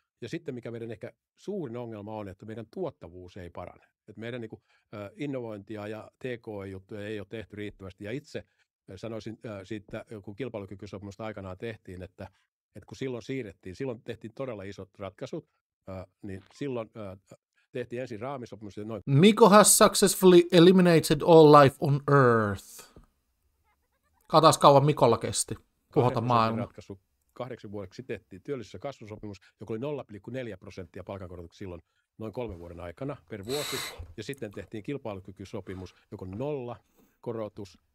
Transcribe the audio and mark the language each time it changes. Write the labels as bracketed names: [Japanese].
[Finnish] Ja sitten mikä meidän ehkä suurin ongelma on, että meidän tuottavuus ei parane. Et meidän niin kuin, innovointia ja TKI-juttuja ei ole tehty riittävästi. Ja itse sanoisin siitä, kun kilpailukykysopimusta aikanaan tehtiin, että kun silloin siirrettiin, silloin tehtiin todella isot ratkaisut, niin silloin tehtiin ensin raamisopimus. Noin. [English] Miko has successfully eliminated all life on Earth. [Finnish] Katsotaan kauan Mikolla kesti puhuta maailma. Ratkaisu. 8 vuodeksi tehtiin työllisyys- ja kasvusopimus, joka oli 0,4% palkankorotuksia silloin noin 3 vuoden aikana per vuosi. Ja sitten tehtiin kilpailukykysopimus, joka on 0 korotus.